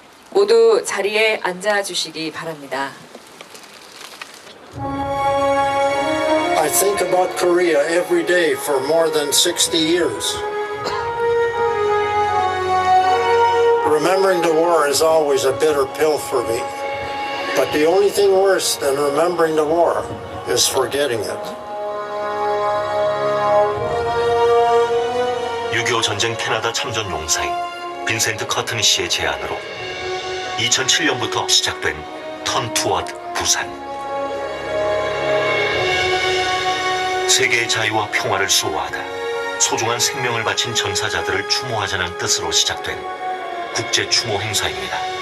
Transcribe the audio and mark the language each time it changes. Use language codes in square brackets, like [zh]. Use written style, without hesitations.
[ko] 모두 자리에 앉아 주시기 바랍니다. [en] I think about Korea every day for more than 60 years. Remembering the war is always a bitter pill for me. But the only thing worse than remembering the war is forgetting it. [ko] 6.25 전쟁 캐나다 참전 용사인 빈센트 커튼 씨의 제안으로 2007년부터 시작된 턴 투워드 부산. 세계의 자유와 평화를 수호하다 소중한 생명을 바친 전사자들을 추모하자는 뜻으로 시작된 국제 추모 행사입니다.